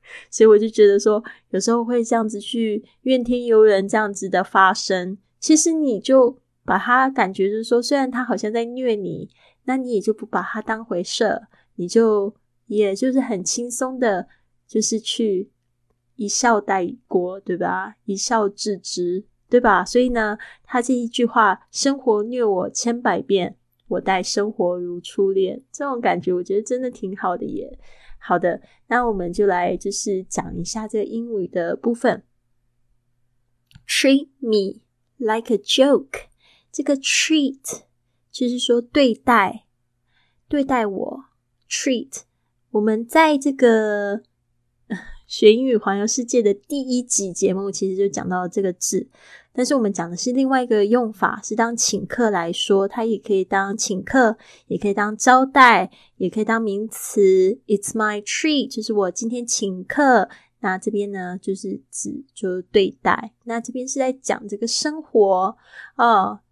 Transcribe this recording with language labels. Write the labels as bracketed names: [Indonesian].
[Chinese] 所以我就觉得说，有时候会这样子去怨天尤人这样子的发生，其实你就把他感觉就是说，虽然他好像在虐你，那你也就不把它当回事，你就也就是很轻松的就是去一笑带过，对吧，一笑置之，对吧。所以呢，他这一句话，生活虐我千百遍，我待生活如初恋，这种感觉我觉得真的挺好的耶。好的，那我们就来就是讲一下这个英语的部分。 [English] Treat me like a joke， [Chinese] 这个 treat就是说对待，对待我 treat。我们在这个学英语环游世界的第一集节目其实就讲到了这个字，但是我们讲的是另外一个用法，是当请客来说，它也可以当请客，也可以当招待，也可以当名词。 [English] It's my treat， [Chinese] 就是我今天请客。那这边呢就是指就对待，那这边是在讲这个生活哦。